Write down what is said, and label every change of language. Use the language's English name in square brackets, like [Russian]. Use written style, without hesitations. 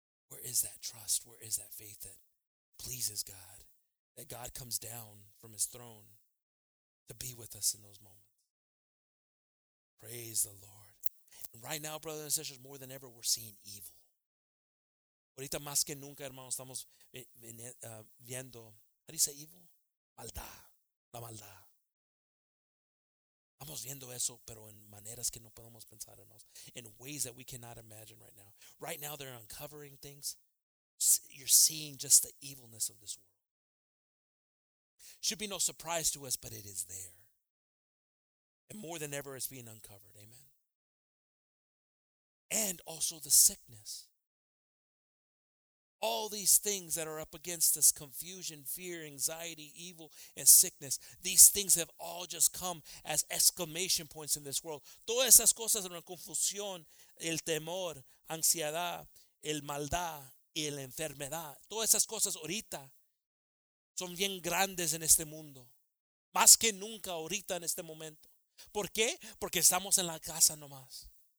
[English] Where is that trust? Where is that faith that pleases God? That God comes down from his throne to be with us in those moments. Praise the Lord. Right now, brothers and sisters, more than ever, we're seeing evil. [Spanish] Ahorita más que nunca, hermanos, estamos viendo, ¿cómo dice evil? Maldad, la maldad. Estamos viendo eso, pero en maneras que no podemos pensar, hermanos. [English] In ways that we cannot imagine right now. Right now, they're uncovering things. You're seeing just the evilness of this world. Should be no surprise to us, but it is there. And more than ever, it's being uncovered. Amen. And also the sickness. All these things that are up against us, confusion, fear, anxiety, evil, and sickness, these things have all just come as exclamation points in this world. [Spanish] Todas esas cosas, la confusión, el temor, ansiedad, el maldad, y la enfermedad, todas esas cosas ahorita son bien grandes en este mundo. Más que nunca ahorita en este momento. ¿Por qué? Porque estamos en la casa nomás.